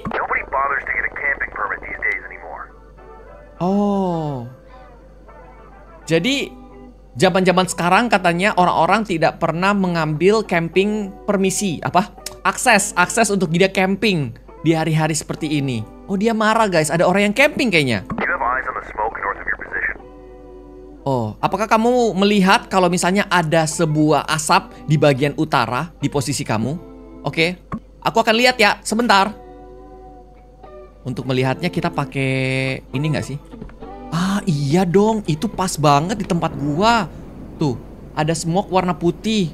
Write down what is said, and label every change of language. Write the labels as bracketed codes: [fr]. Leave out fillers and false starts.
[en] Nobody bothers to get a camping permit these days anymore. [id] Oh. Jadi. Zaman-zaman sekarang katanya orang-orang tidak pernah mengambil camping permisi, apa? Akses untuk dia camping di hari-hari seperti ini. Oh, dia marah guys, ada orang yang camping kayaknya. [en] You have eyes on the smoke north of your position. [id] Oh, apakah kamu melihat kalau misalnya ada sebuah asap di bagian utara di posisi kamu? Oke, okay. Aku akan lihat ya, sebentar. Untuk melihatnya kita pakai ini nggak sih? Ah iya dong, itu pas banget di tempat gua. Tuh, ada smoke warna putih.